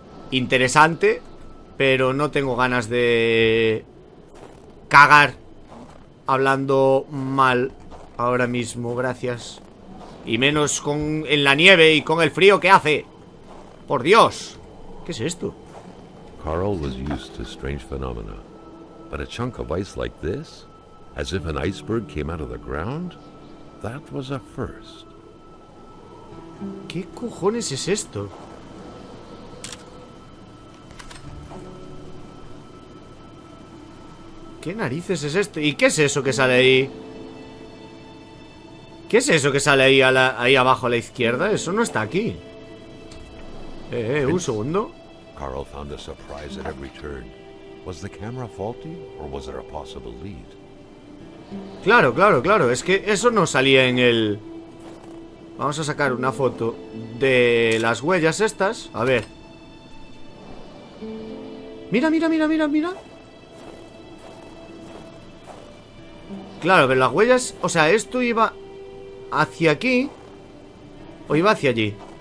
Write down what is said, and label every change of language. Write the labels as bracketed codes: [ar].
[es] Interesante, pero no tengo ganas de cagar hablando mal ahora mismo, gracias. Y menos en la nieve y con el frío que hace. Por Dios, ¿qué es esto? [en] Carl was used to strange phenomena, but a chunk of ice like this, as if an iceberg came out of the ground, that was a first. [es] ¿Qué cojones es esto? ¿Qué narices es esto? ¿Y qué es eso que sale ahí? ¿Qué es eso que sale ahí, ahí abajo a la izquierda? Eso no está aquí. un segundo. [en] Carl found a surprise at every turn. Was the camera faulty or was there a possible lead? [es] Claro, claro, claro. Es que eso no salía en el... Vamos a sacar una foto de las huellas estas. A ver. Mira, mira, mira, mira, mira. Claro, pero las huellas... O sea, esto iba hacia aquí o iba hacia allí.